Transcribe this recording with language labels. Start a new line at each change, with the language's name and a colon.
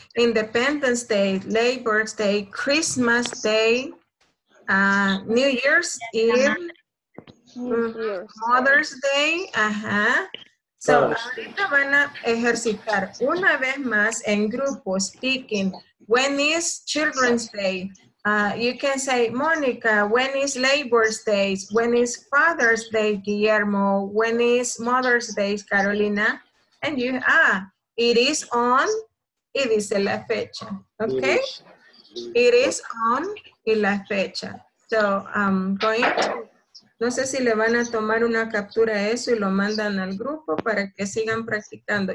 English: Independence Day. Labor Day. Christmas Day. New Year's Eve, Mother's Day, ajá.
Spanish: So, ahorita van a ejercitar una vez más en grupo, speaking.
English: When is Children's Day? You can say, Monica, when is Labor's Day? When is Father's Day, Guillermo? When is Mother's Day, Carolina? And you, it is on,
Spanish: y dice la fecha,
English: okay? It is on,
Spanish: y la fecha.
English: So I'm going to
Spanish: No sé si le van a tomar una captura a eso y lo mandan al grupo para que sigan practicando.